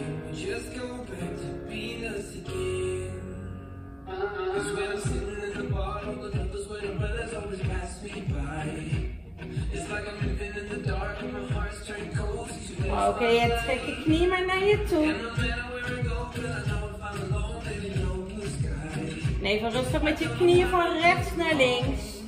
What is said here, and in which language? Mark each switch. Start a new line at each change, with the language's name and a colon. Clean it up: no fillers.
English: Just go back to being us again. Cause when I'm sitting in the bar, all the numbers where the brothers always pass me by. It's like I'm living in the dark and my heart's turned cold. Okay, yeah, take your knee
Dutch: maar naar je toe.
English: And no matter where I go, cause I know if I'm alone in an open sky.
Dutch: Nee, van rustig met je knieën van rechts naar links.